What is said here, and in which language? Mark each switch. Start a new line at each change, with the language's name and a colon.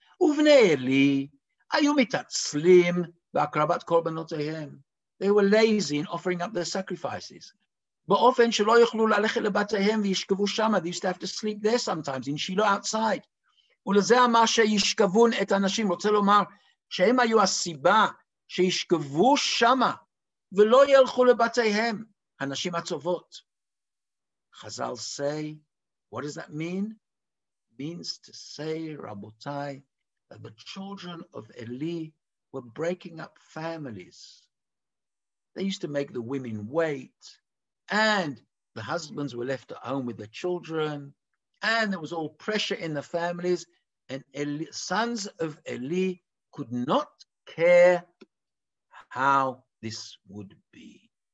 Hebrew: ובני אלי היו מתעצלים בהקרבת קורבנותיהם.
English: They were lazy in offering up their sacrifices.
Hebrew: באופן שלא יוכלו ללכת לבתיהם וישכבו שם.
English: They used to have to sleep there sometimes, in שילו outside.
Hebrew: ולזה אמר שישכבון את האנשים, רוצה לומר שהם היו הסיבה שישכבו שמה ולא ילכו לבתיהם, הנשים הטובות.
English: Chazal say, what does that mean? Means to say, Rabotai, that the children of Eli were breaking up families. They used to make the women wait, and the husbands were left at home with the children, and there was all pressure in the families, and Eli, sons of Eli could not care how this would be.